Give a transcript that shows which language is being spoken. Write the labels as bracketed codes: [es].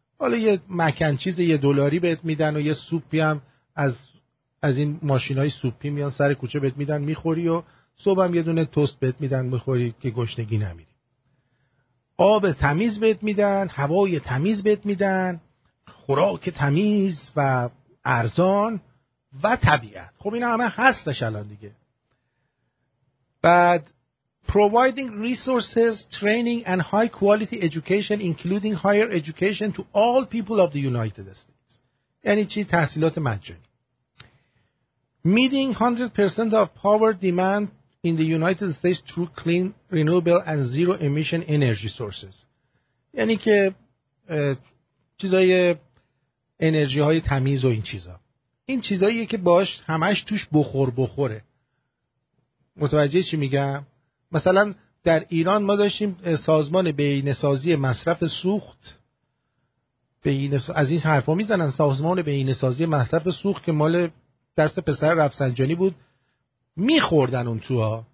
[fa] حالا یه مکن چیز یه دلاری بهت میدن و یه سوپی هم از این ماشینای سوپی میان سر کوچه بهت میدن میخوری و صبح هم یه دونه توست بهت میدن میخوری که گشنگی نمیری. آب تمیز بهت میدن، هوای تمیز بهت میدن، خوراک تمیز و ارزان و طبیعت. خب این همه هستش الان دیگه. بعد [en] providing resources, training and high quality education including higher education to all people of the United States. [fa] یعنی چی؟ تحصیلات مجانی. [en] Meeting 100% of power demand in the United States through clean, renewable and zero emission energy sources. [fa] یعنی که چیزای انرژی های تمیز و این چیزا. این چیزاییه که باش همش توش بخور بخوره. متوجه چی میگم؟ مثلا در ایران ما داشتیم سازمان بهینه‌سازی مصرف سوخت، از این حرفا میزنن، سازمان بهینه‌سازی مصرف سوخت که مال دست پسر رفسنجانی بود، میخوردن اون توها.